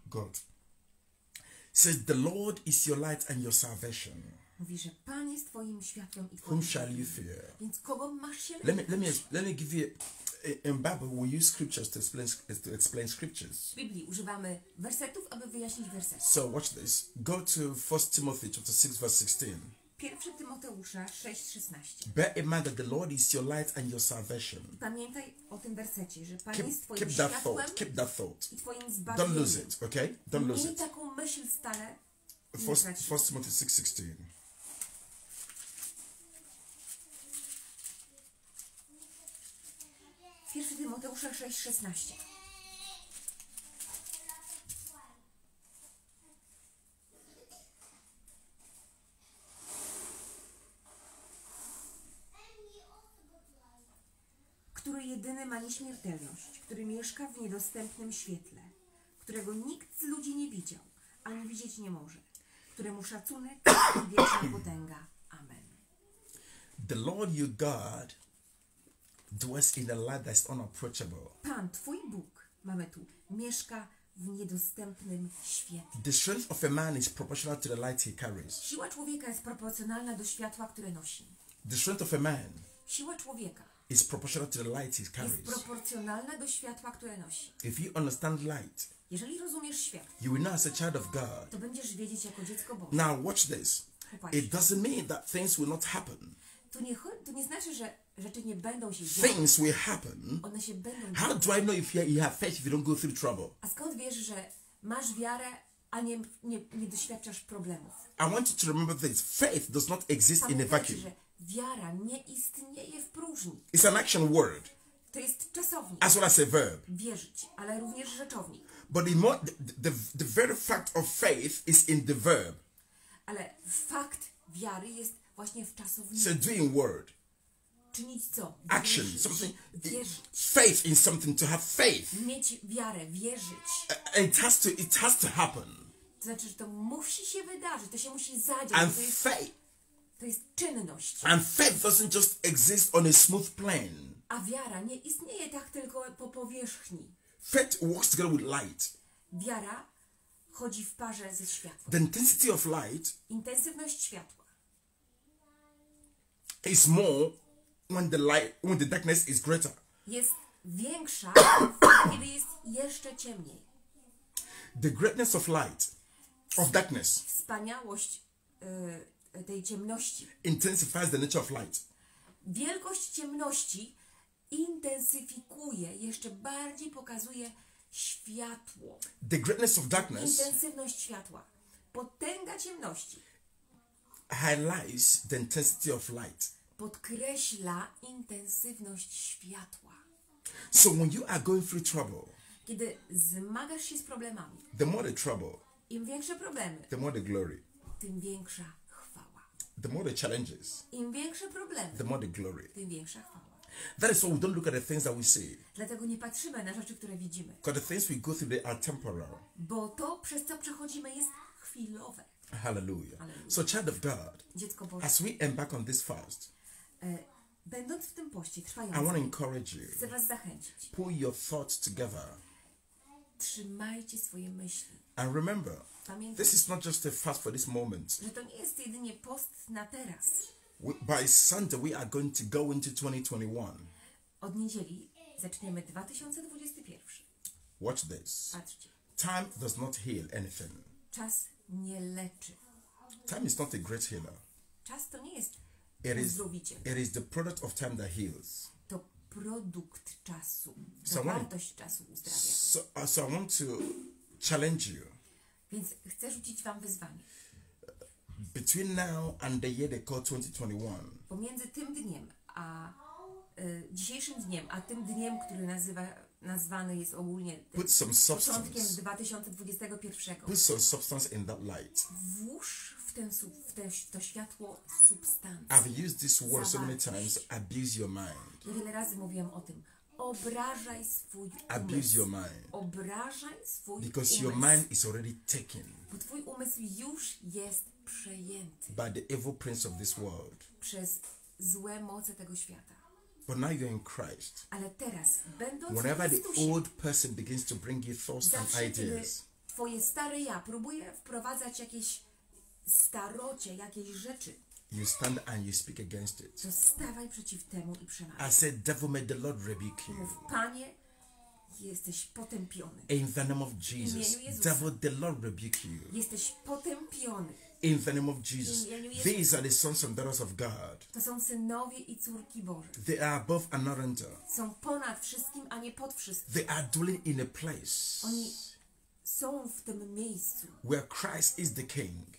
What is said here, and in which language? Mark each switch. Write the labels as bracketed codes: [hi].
[en] God says the Lord is your light and your salvation. [pl] Mówi, że Pan jest twoim światłem i twoim. [en] Whom shall you fear? [pl] Więc kogo masz się lękać? [en] Let me give you. In Bible, we use scriptures to explain scriptures. [pl] W Biblii używamy wersetów, aby wyjaśnić wersety. [en] So watch this. Go to 1 Timothy chapter 6 verse 16. [pl] 1 Tymoteusza 6:16. [en] Bear in mind that the Lord is your light and your salvation. [pl] Pamiętaj o tym wersecie, że Pan [en] keep, [pl] jest twoim [en] keep [pl] światłem. [en] That thought, keep that thought. [pl] I twoim zbawieniem. [en] Don't lose it, okay? Don't lose it. [pl] Miej taką myśl stale. [en] 1 Timothy 6:16. [pl] 1 Tymoteusza 6,16. Który jedyny ma nieśmiertelność, który mieszka w niedostępnym świetle, którego nikt z ludzi nie widział, ani widzieć nie może, któremu szacunek i wieczna potęga. Amen. [en] The Lord your God dwells in a light that is unapproachable. [pl] Pan, Twój Bóg, mamy tu, mieszka w niedostępnym świetle. [en] The strength of a man is proportional to the light he carries. [pl] Siła człowieka jest proporcjonalna do światła, które nosi. [en] The strength of a man. [pl] Siła człowieka. [en] Is proportional to the light he carries. [pl] Jest proporcjonalna do światła, które nosi. [en] If you understand light, [pl] jeżeli rozumiesz światło, [en] you will know as a child of God. [pl] To będziesz wiedzieć jako dziecko Boże. [en] Now watch this. [pl] Popatrz. [en] It doesn't mean that things will not happen. [pl] To nie znaczy, że rzeczy nie będą się dziać. [en] Things will happen. [pl] One się będą dziać. [en] How do I know if you have faith if you don't go through trouble? [pl] A skąd wiesz, że masz wiarę, a nie doświadczasz problemów? [en] I want you to remember this. Faith does not exist in a vacuum. [pl] Wiara nie istnieje w próżni. [en] It's an action word. [pl] To jest czasownik. [en] As well as a verb. [pl] Wierzyć, ale również rzeczownik. [en] But the very fact of faith is in the verb. [pl] Ale fakt wiary jest właśnie w czasowniku. [en] It's a doing word. [pl] Czynić co? [en] Action. Something. [pl] Wierzyć. [en] Faith in something. To have faith. [pl] Mieć wiarę, wierzyć. [en] It has to happen. [pl] To znaczy, że to musi się wydarzyć, to się musi zadziać. [en] And [pl] to jest [en] faith. [pl] To jest czynność. [en] And faith doesn't just exist on a smooth plane. [pl] A wiara nie istnieje tak tylko po powierzchni. [en] Faith works together with light. [pl] Wiara chodzi w parze ze światłem. [en] The intensity of light. [pl] Intensywność światła. [en] Is more when the darkness is greater. [pl] Jest większa, kiedy jest jeszcze ciemniej. [en] The greatness of light of darkness. [pl] Wspaniałość tej ciemności. [en] Intensifies the nature of light. [pl] Wielkość ciemności intensyfikuje, jeszcze bardziej pokazuje światło. [en] The greatness of darkness. [pl] Intensywność światła. Potęga ciemności. [en] Highlights the intensity of light. [pl] Podkreśla intensywność światła. [en] So when you are going through trouble. [pl] Kiedy zmagasz się z problemami. [en] The more the trouble. [pl] Im większe problemy. [en] The more the glory. [pl] Tym większa. [en] The more the challenges, [pl] im większe problemy, [en] the more the glory. [pl] Tym większa chwała. [en] That is why we don't look at the things that we see. [pl] Dlatego nie patrzymy na rzeczy, które widzimy. [en] Because the things we go through they are temporal. [pl] Bo to, przez co przechodzimy, jest chwilowe. [en] Hallelujah. [pl] Hallelujah. [en] So child of God, [pl] dziecko Boże, [en] as we embark on this fast, [pl] będąc w tym poście trwającym, [en] I want to encourage you. [pl] Chcę was zachęcić. [en] Pull your thoughts together. [pl] Trzymajcie swoje myśli. [en] And remember. [pl] Pamiętaj, [en] this is not just a fast for this moment. [pl] Że to nie jest jedynie post na teraz. [en] By Sunday we are going to go into 2021. [pl] Od niedzieli zaczniemy 2021. [en] Watch this. [pl] Patrzcie. [en] Time does not heal anything. [pl] Czas nie leczy. [en] Time is not a great healer. [pl] Czas to nie jest uzdrowiciel. [en] It is the product of time that heals. [pl] To produkt czasu. To wartość czasu uzdrawia. [en] So I want to challenge you. [pl] Więc chcę rzucić wam wyzwanie. [en] Between now and the year they call 2021. [pl] Pomiędzy tym dniem a dzisiejszym dniem, a tym dniem, który nazwany jest ogólnie [en] put some [pl] początkiem 2021. [en] Put some substance in that light. [pl] Włóż w to światło substancję. [en] I've used this word so many times. Abuse your mind. [pl] I wiele razy mówiłem o tym. Obrażaj swój umysł. [en] Abuse your mind. [pl] Obrażaj swój [en] because [pl] umysł. [en] Your mind is already taken. [pl] Bo twój umysł już jest przejęty. [en] By the evil prince of this world. [pl] Przez złe moce tego świata. [en] But now you're in Christ. [pl] Ale teraz, będąc [en] whenever [pl] w Chrystusie, [en] the old person begins to bring you thoughts and ideas. [pl] Twoje stare ja próbuje wprowadzać jakieś starocie, jakieś rzeczy. [en] You stand and you speak against it. [pl] To stawaj przeciw temu i przemawiaj. [en] I said, devil, may the Lord rebuke you. [pl] Mów, Panie, jesteś potępiony. [en] In the name of Jesus, devil, the Lord rebuke you. [pl] Jesteś potępiony. [en] In the name of Jesus, these are the sons and daughters of God. [pl] To są synowie i córki Boże. [en] They are above and not under. [pl] Są ponad wszystkim, a nie pod wszystkim. [en] They are dwelling in a place. [pl] Oni są w tym miejscu. [en] Where Christ is the King.